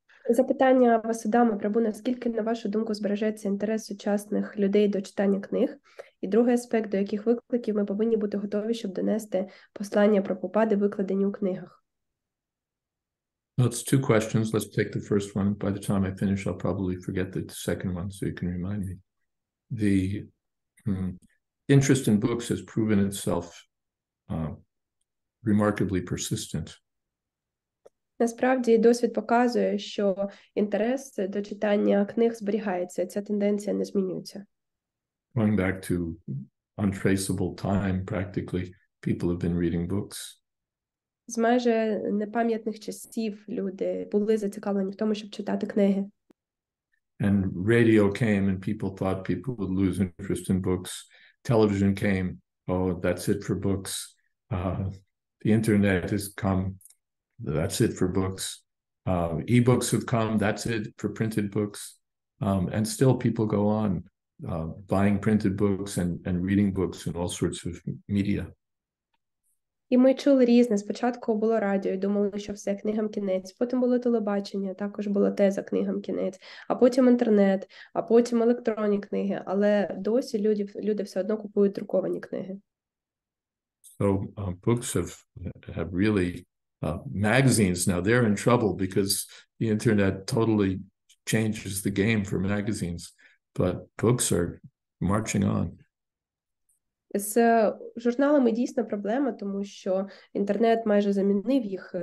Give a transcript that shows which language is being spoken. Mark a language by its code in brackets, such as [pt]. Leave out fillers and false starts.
[uk] Запитання Васудами Прабу, наскільки, на вашу думку, збережеться інтерес сучасних людей до читання книг? І другий аспект, до яких викликів ми повинні бути готові, щоб донести послання Прабхупади, викладені у книгах? [en] Well, it's two questions. Let's take the first one. By the time I finish, I'll probably forget the second one, so you can remind me. The interest in books has proven itself remarkably persistent. [uk] Насправді, досвід показує, що інтерес до читання книг зберігається, ця тенденція не змінюється. [en] Going back to untraceable time, practically, people have been reading books. [uk] З майже непам'ятних часів люди були зацікавлені в тому, щоб читати книги. [en] And radio came and people thought people would lose interest in books. Television came, oh, that's it for books. The internet has come, that's it for books. E-books have come, that's it for printed books. And still people go on buying printed books and reading books in all sorts of media. [uk] І ми чули різне. Спочатку було радіо, і думали, що все, книгам кінець. Потім було телебачення, також була теза книгам кінець. А потім інтернет, а потім електронні книги. Але досі люди все одно купують друковані книги. [en] So books have really, magazines now, they're in trouble because the internet totally changes the game for magazines. But books are marching on. [uk] З журналами дійсно проблема, тому що інтернет майже замінив їх.